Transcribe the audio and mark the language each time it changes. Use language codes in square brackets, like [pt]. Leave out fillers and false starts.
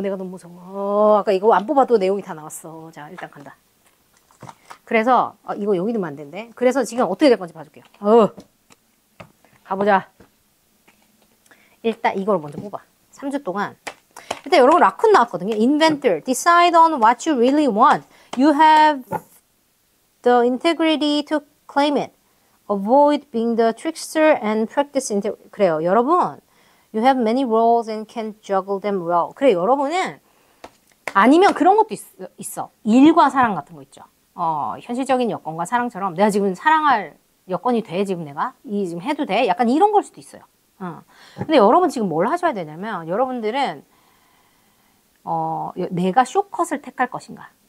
[ko] 내가 너무 무서워. 아까 이거 안 뽑아도 내용이 다 나왔어. 자, 일단 간다. 그래서, 이거 여기도 안 된대. 그래서 지금 어떻게 될 건지 봐줄게요. 가보자. 일단 이걸 먼저 뽑아. 3주 동안. 일단 여러분, 라쿤 나왔거든요. [en] Inventor. Decide on what you really want. You have the integrity to claim it. Avoid being the trickster and practice into [ko] 그래요. 여러분, [en] you have many roles and can juggle them well. [ko] 그래, 여러분은 아니면 그런 것도 있어. 일과 사랑 같은 거 있죠. 현실적인 여건과 사랑처럼 내가 지금 사랑할 여건이 돼, 지금 내가? 이 지금 해도 돼? 약간 이런 걸 수도 있어요. 근데 여러분 지금 뭘 하셔야 되냐면 여러분들은 내가 쇼컷을 택할 것인가?